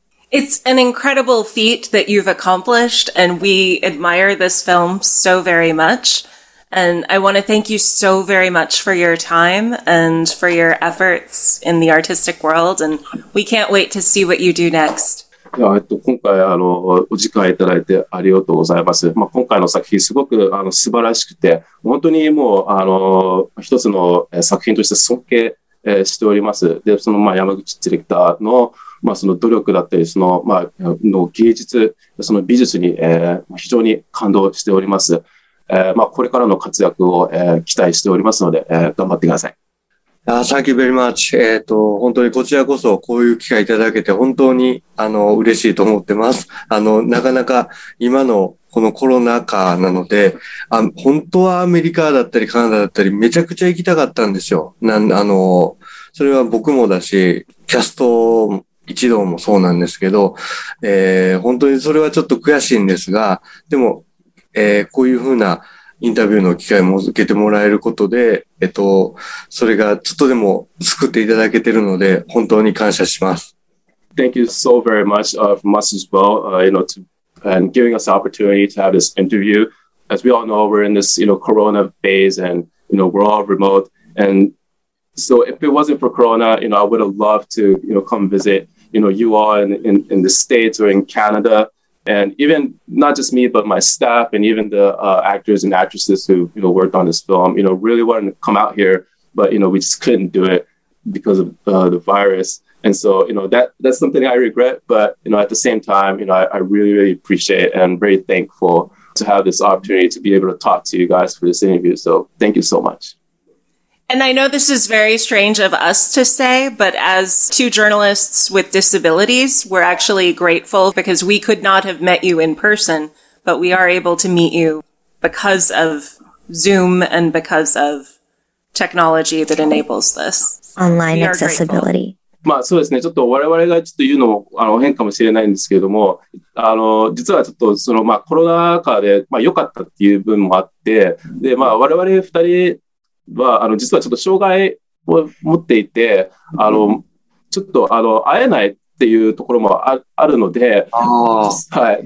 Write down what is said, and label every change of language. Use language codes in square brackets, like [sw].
[en] It's an incredible feat that you've accomplished, and we admire this film so very much. And I want to thank you so very much for your time and for your efforts in the artistic world. And we can't wait to see what you do next. [ja] Yeah, 今回お時間いただいてありがとうございます。まあ、今回の作品すごく素晴らしくて、本当にもう一つの作品として尊敬しております。で、そのまあ山口ディレクターのまあその努力だったり、そのまあの芸術、その美術に非常に感動しております。まあ、これからの活躍を期待しておりますので、頑張ってください。 [en] Thank you very much. [ja] 本当にこちらこそこういう機会いただけて本当に嬉しいと思ってます。なかなか今のこのコロナ禍なので、本当はアメリカだったりカナダだったりめちゃくちゃ行きたかったんですよ。それは僕もだし、キャスト一同もそうなんですけど、本当にそれはちょっと悔しいんですが、でも、こういうふうなインタビューの機会も受けてもらえることで、それがちょっとでも救っていただけてるので、本当に感謝します。 [en] Thank you so very much, from us as well, you know, and giving us the opportunity to have this interview. As we all know, we're in this, you know, corona phase and, you know, we're all remote. And so if it wasn't for corona, you know, I would have loved to, you know, come visit, you know, you all in the States or in Canada. And even not just me, but my staff and even the actors and actresses who, you know, worked on this film, you know, really wanted to come out here, but, you know, we just couldn't do it because of the virus. And so, you know, that's something I regret. But, you know, at the same time, you know, I really, really appreciate and I'm very thankful to have this opportunity to be able to talk to you guys for this interview. So thank you so much. And I know this is very strange of us to say, but as two journalists with disabilities, we're actually grateful because we could not have met you in person, but we are able to meet you because of Zoom and because of technology that enables this. Online accessibility. [ja] まあそうですね。ちょっと我々がちょっと言うのも変かもしれないんですけれども、実はちょっとそのまあコロナ禍でまあ良かったっていう分もあって、でまあ我々2人、は、実はちょっと障害を持っていて、ちょっと、会えないっていうところも あるので、はい。